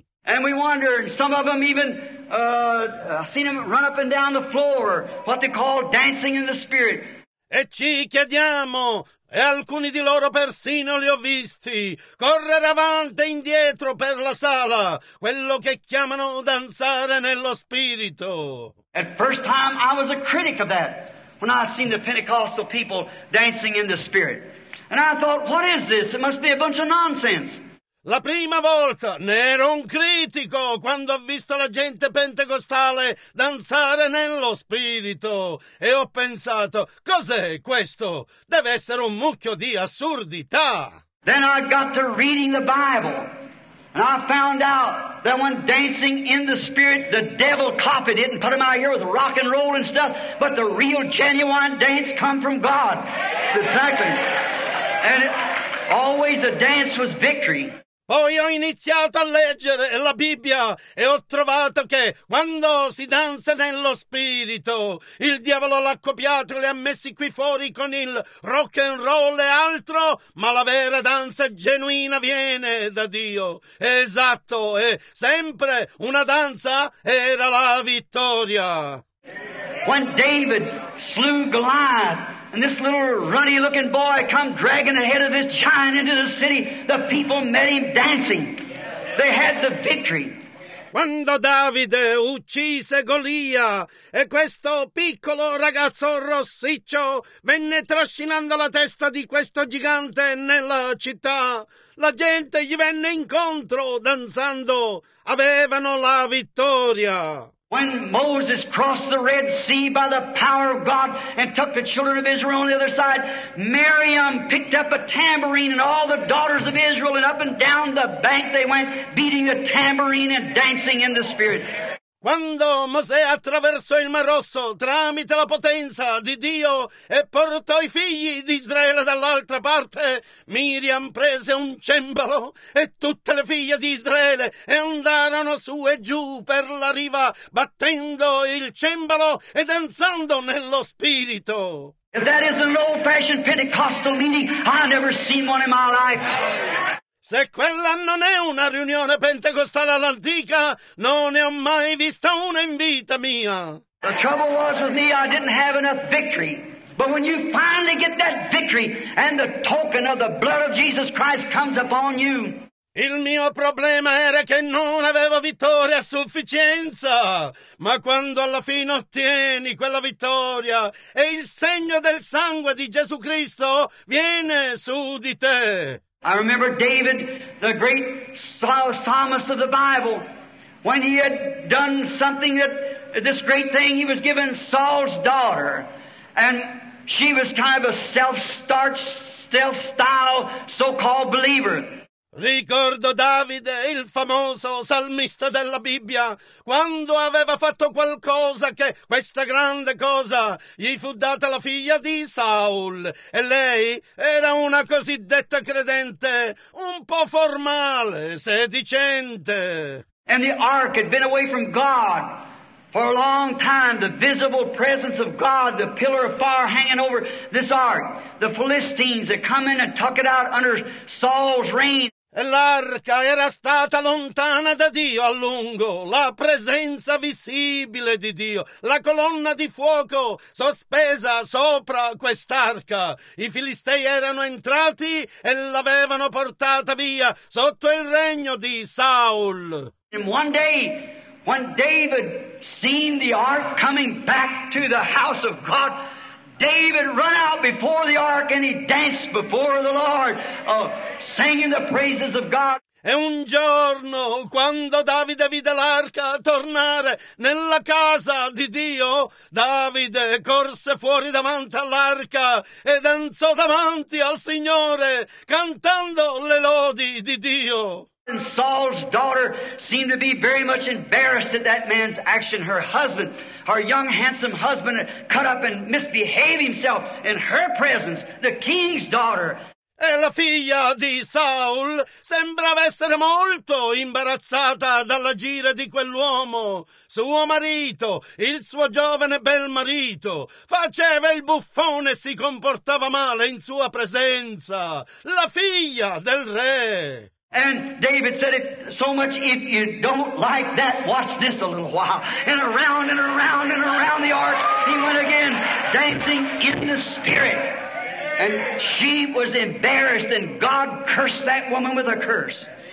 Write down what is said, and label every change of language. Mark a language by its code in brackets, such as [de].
[en] And we wonder, some of them even, I've seen them run up and down the floor, what they call dancing in the spirit. [it] E ci chiediamo, e alcuni di loro persino li ho visti, correre avanti e indietro per la sala, quello che chiamano danzare nello spirito. [en] At first time I was a critic of that, when I seen the Pentecostal people dancing in the spirit. And I thought, what is this? It must be a bunch of nonsense. [it] La prima volta ne ero un critico quando ho visto la gente pentecostale danzare nello spirito e ho pensato, cos'è questo? Deve essere un mucchio di assurdità. [en] Then I got to reading the Bible, And I found out that when dancing in the Spirit, the devil copied it and put him out here with rock and roll and stuff. But the real genuine dance come from God. Exactly. And always a dance was victory. [it] Poi ho iniziato a leggere la Bibbia e ho trovato che quando si danza nello spirito, il diavolo l'ha copiato e li ha messi qui fuori con il rock and roll e altro, ma la vera danza genuina viene da Dio. Esatto, e sempre una danza era la vittoria. [en] When David slew Goliath, and this little ruddy-looking boy come dragging ahead of this giant into the city, the people met him dancing. They had the victory. [it] Quando Davide uccise Golia e questo piccolo ragazzo rossiccio venne trascinando la testa di questo gigante nella città, la gente gli venne incontro danzando. Avevano la vittoria. [en] When Moses crossed the Red Sea by the power of God and took the children of Israel on the other side, Miriam picked up a tambourine and all the daughters of Israel, and up and down the bank they went, beating a tambourine and dancing in the Spirit. [it] Quando Mosè attraversò il Mar Rosso tramite la potenza di Dio e portò i figli di Israele dall'altra parte, Miriam prese un cembalo e tutte le figlie di Israele e andarono su e giù per la riva battendo il cembalo e danzando nello spirito. [en] If that is an old-fashioned Pentecostal meeting, I've never seen one in my life. [it] Se quella non è una riunione pentecostale all'antica, non ne ho mai vista una in vita mia. [en] The trouble was with me, I didn't have enough victory. But when you finally get that victory and the token of the blood of Jesus Christ comes upon you. [it] Il mio problema era che non avevo vittoria a sufficienza, ma quando alla fine ottieni quella vittoria e il segno del sangue di Gesù Cristo viene su di te. [en] I remember David, the great psalmist of the Bible, when he had done something that, this great thing, he was given Saul's daughter, and she was kind of a self-starched, self-style, so-called believer. [it] Ricordo Davide, il famoso salmista della Bibbia, quando aveva fatto qualcosa che, questa grande cosa, gli fu data la figlia di Saul. E lei era una cosiddetta credente, un po' formale, sedicente. [en] And the ark had been away from God for a long time, the visible presence of God, the pillar of fire hanging over this ark. The Philistines had come in and tuck it out under Saul's reign. [it] E l'arca era stata lontana da Dio a lungo, la presenza visibile di Dio, la colonna di fuoco sospesa sopra quest'arca. I Filistei erano entrati e l'avevano portata via sotto il regno di Saul. [en] And one day, when David seen the ark coming back to the house of God, David ran out before the ark and he danced before the Lord, singing the praises of God. [it] E un giorno, quando Davide vide l'arca tornare nella casa di Dio, Davide corse fuori davanti all'arca e danzò davanti al Signore, cantando le lodi di Dio. [en] And Saul's daughter seemed to be very much embarrassed at that man's action. Her husband, her young, handsome husband, had cut up and misbehaved himself in her presence, the king's daughter. [it] E la figlia di Saul sembrava essere molto imbarazzata dall'agire di quell'uomo. Suo marito, il suo giovane bel marito, faceva il buffone e si comportava male in sua presenza. La figlia del re. [en] And David said, "If so much if you don't like that, watch this a little while." And around and around and around the ark, he went again, dancing in the Spirit. And she was embarrassed, and God cursed that woman with a curse.